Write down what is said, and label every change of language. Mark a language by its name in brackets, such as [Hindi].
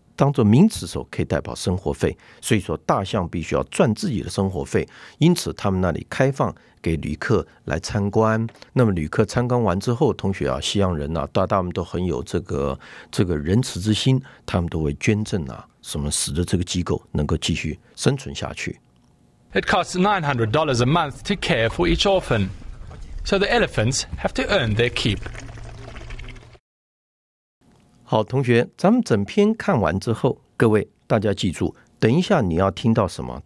[Chinese] 当作名词的时候可以代表生活费，所以说大象必须要赚自己的生活费，因此他们那里开放给旅客来参观。那么旅客参观完之后，同学啊，西洋人啊，大们都很有这个仁慈之心，他们都会捐赠啊什么，使得这个机构能够继续生存下去。 [English] It costs $900 a month to care for each orphan, so the elephants have to earn their keep. [Chinese] 好，同学，咱们整篇看完之后，各位大家记住，等一下你要听到什么？